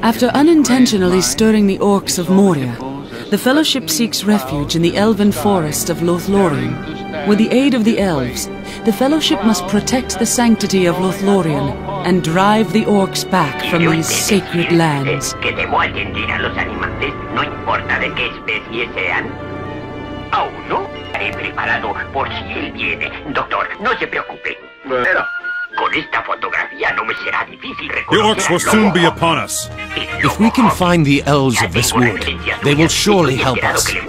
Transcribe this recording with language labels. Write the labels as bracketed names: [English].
[English] After unintentionally stirring the orcs of Moria, the Fellowship seeks refuge in the elven forest of Lothlórien. With the aid of the elves, the Fellowship must protect the sanctity of Lothlórien and drive the orcs back from these sacred lands. [Spanish] Que debo atender a los animales, no importa de qué especie sean. Oh, no, estaré preparado por si él viene. Doctor, no se preocupe. Pero con esta fotografía no me será difícil reconocer. [English] The orcs will soon be upon us. If we can find the elves of this wood, they will surely help us.